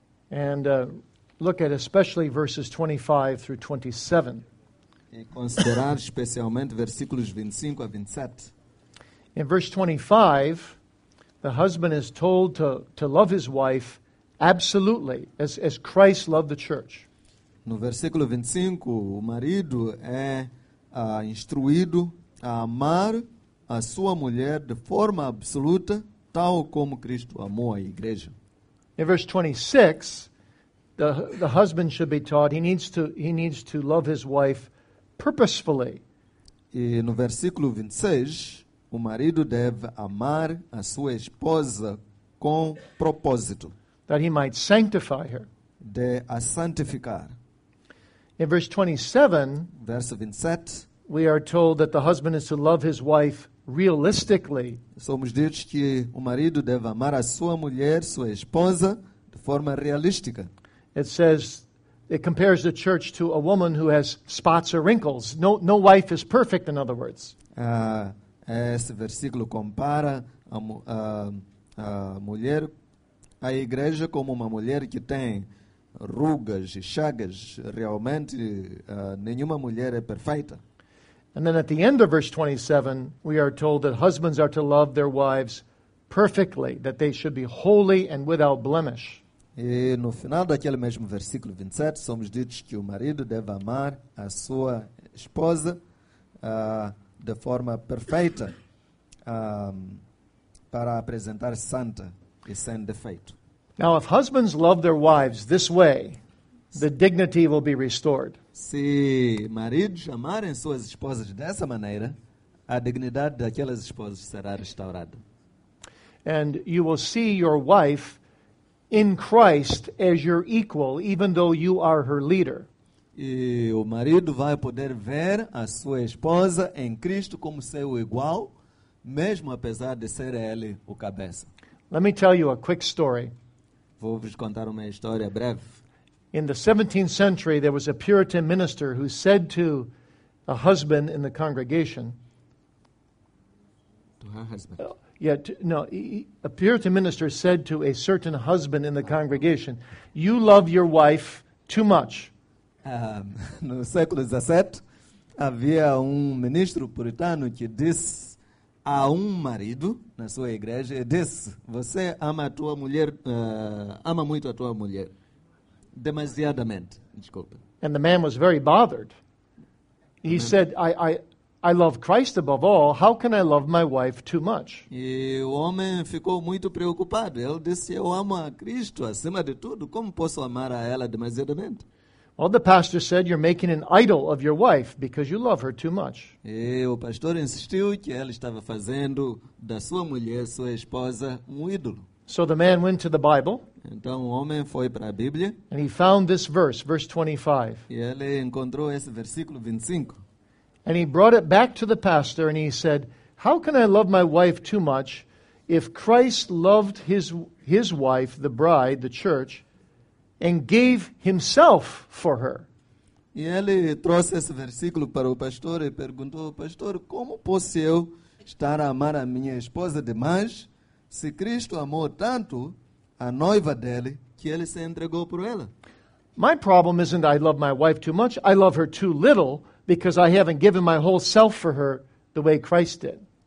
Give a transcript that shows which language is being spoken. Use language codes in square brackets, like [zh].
[en] And look at especially verses 25 through 27. [pt] E considerar especialmente versículos 25 a 27. [en] In verse 25, the husband is told to love his wife absolutely, as Christ loved the church. [pt] No versículo 25, o marido é instruído a amar a sua mulher de forma absoluta, tal como Cristo amou a igreja. [en] In verse 26, the husband should be taught he needs to love his wife purposefully. [pt] E no versículo 26, o marido deve amar a sua esposa com propósito. [en] That he might sanctify her. [pt] De a santificar. [en] In verse 27, [pt] verso 27, [en] we are told that the husband is to love his wife realistically. [pt] Somos ditos que o marido deve amar a sua mulher, sua esposa, de forma realística. [en] It says, it compares the church to a woman who has spots or wrinkles. No wife is perfect, in other words. [pt] Esse versículo compara a mulher, a igreja, como uma mulher que tem rugas e chagas. Realmente, nenhuma mulher é perfeita. [en] And then at the end of verse 27, we are told that husbands are to love their wives perfectly, that they should be holy and without blemish. [pt] E no final daquele mesmo versículo 27, somos ditos que o marido deve amar a sua esposa de forma perfeita para apresentar santa e sem defeito. [en] Now, if husbands love their wives this way, the dignity will be restored. [pt] Se maridos amarem suas esposas dessa maneira, a dignidade daquelas esposas será restaurada. [en] And you will see your wife in Christ as your equal, even though you are her leader. [pt] E o marido vai poder ver a sua esposa em Cristo como seu igual, mesmo apesar de ser ele o cabeça. [en] Let me tell you a quick story. [pt] Vou vos contar uma história breve. [en] In the 17th century, there was a Puritan minister who said to a husband in the congregation. To her husband. A Puritan minister said to a certain husband in the congregation, "You love your wife too much." [pt] No século XVII, havia ministro puritano que disse a marido na sua igreja, disse, "Você ama a tua mulher, ama muito a tua mulher, demasiadamente." Desculpa. [en] And the man was very bothered. He said, I love Christ above all. How can I love my wife too much? [pt] E o homem ficou muito preocupado. Ele disse, eu amo a Cristo acima de tudo. Como posso amar a ela demasiadamente? [en] Well, the pastor said, you're making an idol of your wife because you love her too much. [pt] E o pastor insistiu que ele estava fazendo da sua mulher, sua esposa, ídolo. [en] So the man went to the Bible. [pt] Então o homem foi para a Bíblia. [en] And he found this verse, verse 25. [pt] E ele encontrou esse versículo 25. [en] And he brought it back to the pastor and he said, how can I love my wife too much if Christ loved his wife, the bride, the church, and gave himself for her? [pt] E ele trouxe esse versículo para o pastor e perguntou, pastor, como posso eu estar a amar a minha esposa demais se Cristo amou tanto a noiva dele que ele se entregou por ela? [en] My problem isn't I love my wife too much, I love her too little, because I haven't given my whole self for her the way Christ did.